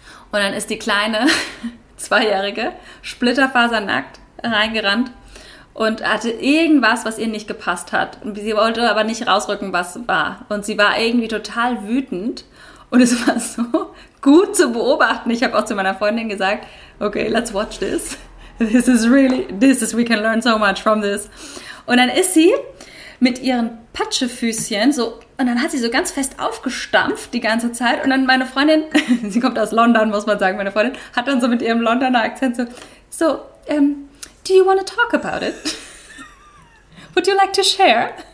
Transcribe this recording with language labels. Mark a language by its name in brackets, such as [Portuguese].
[German] Und dann ist die kleine, 2-Jährige, splitterfasernackt reingerannt und hatte irgendwas, was ihr nicht gepasst hat. Und sie wollte aber nicht rausrücken, was war. Und sie war irgendwie total wütend und es war so gut zu beobachten. Ich habe auch zu meiner Freundin gesagt, [English] okay, let's watch this. We can learn so much from this. [German] Und dann ist sie mit ihren Patschefüßchen so, und dann hat sie so ganz fest aufgestampft die ganze Zeit. Und dann meine Freundin, sie kommt aus London, muss man sagen, meine Freundin, hat dann so mit ihrem Londoner Akzent so, [English] do you want to talk about it? Would you like to share?